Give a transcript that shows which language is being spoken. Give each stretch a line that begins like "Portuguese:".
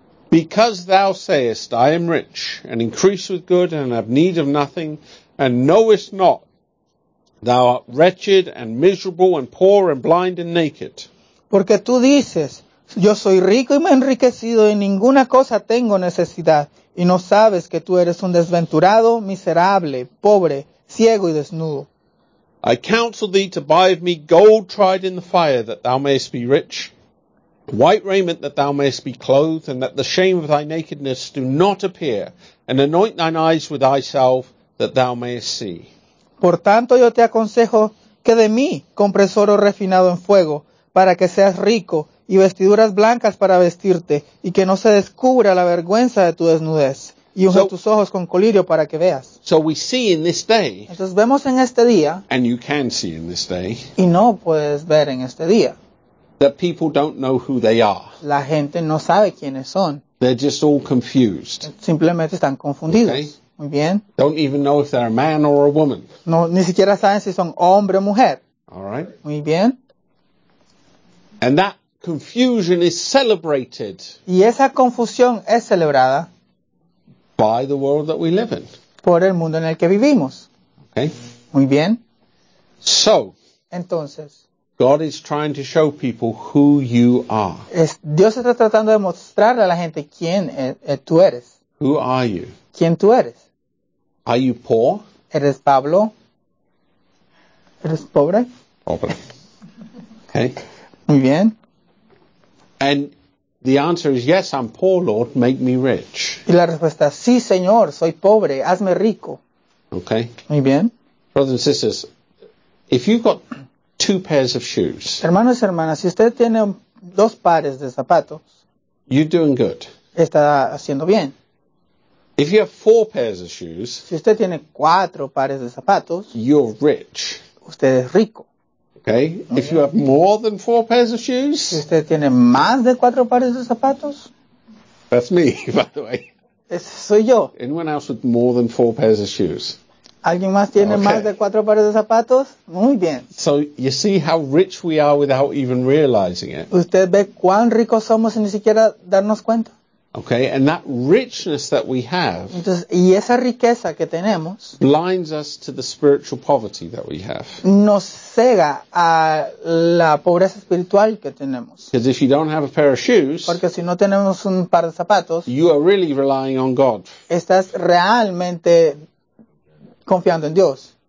English: Because thou sayest, I am rich, and increased with good, and have need of nothing, and knowest not, thou art wretched, and miserable, and poor, and blind, and naked.
Spanish: Porque tú dices, yo soy rico y me he enriquecido, y ninguna cosa tengo necesidad, y no sabes que tú eres un desventurado, miserable, pobre, ciego y desnudo.
English: I counsel thee to buy of me gold tried in the fire, that thou mayest be rich, white raiment that thou mayest be clothed, and that the shame of thy nakedness do not appear, and anoint thine eyes with thyself, that thou mayest see.
Spanish: Por tanto, yo te aconsejo que de mí compres oro refinado en fuego, para que seas rico, y vestiduras blancas para vestirte, y que no se descubra la vergüenza de tu desnudez, y unge tus ojos con colirio para que veas.
English: So we see in this day,
Spanish: entonces vemos en este día,
English: and you can see in this day,
Spanish: y no puedes ver en este día,
English: that people don't know who they are.
Spanish: La gente no sabe quiénes son.
English: They're just all confused.
Spanish: Simplemente están confundidos.
English: Okay.
Spanish: Muy bien.
English: Don't even know if they're a man or a woman.
Spanish: No, ni siquiera saben si son hombre o mujer.
English: All right.
Spanish: Muy bien.
English: And that confusion is celebrated.
Spanish: Y esa confusión es celebrada.
English: By the world that we live in.
Spanish: Por el mundo en el que vivimos.
English: Okay.
Spanish: Muy bien.
English: So.
Spanish: Entonces.
English: God is trying to show people who you are.
Spanish: Dios está tratando de mostrarle a la gente quién tú eres.
English: Who are you?
Spanish: ¿Quién tú eres?
English: Are you poor?
Spanish: ¿Eres Pablo? ¿Eres pobre? Pobre. Okay. Muy bien.
English: And the answer is yes, I'm poor, Lord, make me rich.
Spanish: Y la respuesta es sí, Señor, soy pobre, hazme rico.
English: Okay.
Spanish: Muy bien.
English: Brothers and sisters, if you've got two pairs of shoes.
Spanish: Hermanos y hermanas, si usted tiene dos pares de zapatos,
English: you're doing good.
Spanish: Está haciendo bien.
English: If you have four pairs of shoes,
Spanish: si usted tiene cuatro pares de zapatos,
English: you're rich.
Spanish: Usted es rico.
English: Okay. If you have more than four pairs of shoes,
Spanish: si usted tiene más de cuatro pares de zapatos,
English: that's me, by the way.
Spanish: Ese soy yo.
English: Anyone else with more than four pairs of shoes?
Spanish: ¿Alguien más tiene
English: okay.
Spanish: más de cuatro pares de zapatos? Muy bien.
English: So you see how rich we are without even realizing it.
Spanish: ¿Usted ve cuán ricos somos sin ni siquiera darnos cuenta?
English: Okay, and that richness that we have,
Spanish: entonces, y esa riqueza que tenemos,
English: blinds us to the spiritual poverty that we have.
Spanish: Nos cega a la pobreza espiritual que tenemos.
English: Because if you don't have a pair of shoes,
Spanish: porque si no tenemos un par de zapatos,
English: you are really relying on God.
Spanish: Estás realmente confiando en Dios.